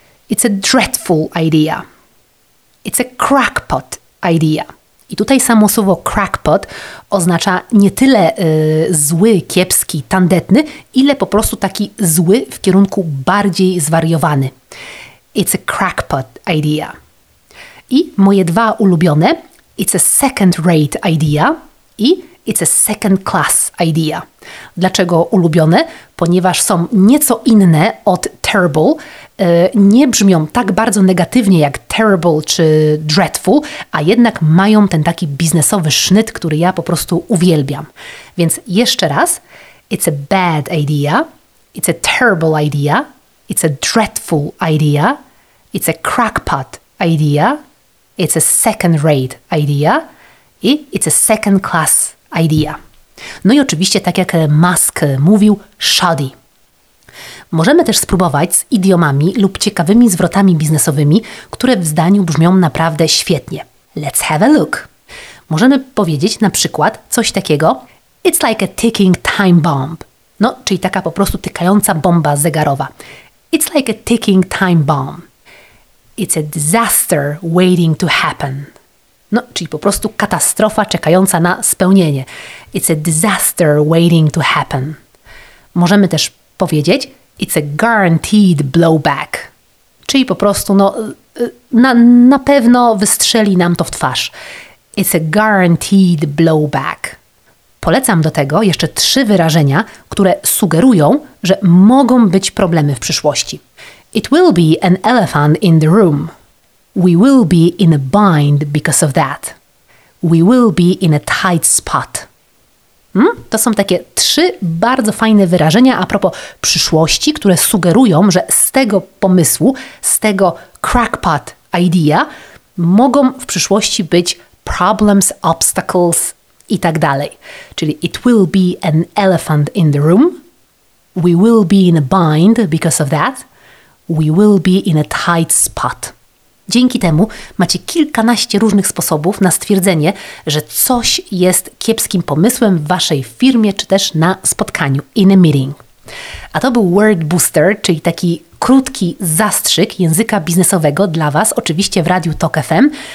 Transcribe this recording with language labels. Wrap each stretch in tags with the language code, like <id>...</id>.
<en>It's a dreadful idea. It's a crackpot idea.</en> <pl>I tutaj samo słowo crackpot oznacza nie tyle zły, kiepski, tandetny, ile po prostu taki zły w kierunku bardziej zwariowany.</pl> <en>It's a crackpot idea.</en> <pl>I moje dwa ulubione,</pl> <en>it's a second-rate idea i it's a second-class idea.</en> <pl>Dlaczego ulubione? Ponieważ są nieco inne od terrible, nie brzmią tak bardzo negatywnie jak terrible czy dreadful, a jednak mają ten taki biznesowy sznyt, który ja po prostu uwielbiam. Więc jeszcze raz,</pl> <en>it's a bad idea, it's a terrible idea, it's a dreadful idea, it's a crackpot idea, it's a second-rate idea i it's a second-class idea.</en> <pl>No i oczywiście, tak jak Musk mówił, shoddy. Możemy też spróbować z idiomami lub ciekawymi zwrotami biznesowymi, które w zdaniu brzmią naprawdę świetnie.</pl> <en>Let's have a look.</en> <pl>Możemy powiedzieć na przykład coś takiego</pl> <en>it's like a ticking time bomb.</en> <pl>No, czyli taka po prostu tykająca bomba zegarowa.</pl> <en>It's like a ticking time bomb. It's a disaster waiting to happen.</en> <pl>No, czyli po prostu katastrofa czekająca na spełnienie.</pl> <en>It's a disaster waiting to happen.</en> <pl>Możemy też powiedzieć</pl> <en>it's a guaranteed blowback.</en> <pl>Czyli po prostu, no, na pewno wystrzeli nam to w twarz.</pl> <en>It's a guaranteed blowback.</en> <pl>Polecam do tego jeszcze trzy wyrażenia, które sugerują, że mogą być problemy w przyszłości.</pl> <en>It will be an elephant in the room. We will be in a bind because of that. We will be in a tight spot.</en> <pl>To są takie trzy bardzo fajne wyrażenia a propos przyszłości, które sugerują, że z tego pomysłu, z tego crackpot idea mogą w przyszłości być</pl> <en>problems, obstacles</en> <pl>i tak dalej. Czyli</pl> <en>it will be an elephant in the room. We will be in a bind because of that. We will be in a tight spot.</en> <pl>Dzięki temu macie kilkanaście różnych sposobów na stwierdzenie, że coś jest kiepskim pomysłem w waszej firmie czy też na spotkaniu,</pl> <en>in a meeting.</en> <pl>A to był Word Booster, czyli taki krótki zastrzyk języka biznesowego dla was, oczywiście w Radiu Tok FM.</pl>